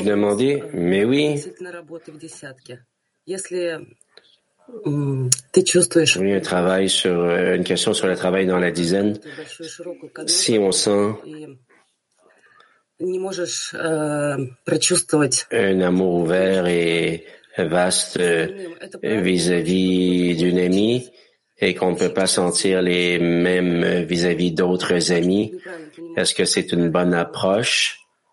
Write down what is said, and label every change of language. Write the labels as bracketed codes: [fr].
[ru] Относительно работы в десятке. Если ты чувствуешь... [fr] Oui, travail sur, une question sur le travail dans la dizaine. Si on sent... [ru] Не можешь прочувствовать... [fr] Un amour ouvert et... vaste vis-à-vis d'une amie et qu'on ne peut pas sentir les mêmes vis-à-vis d'autres amis. Est-ce que c'est une bonne approche?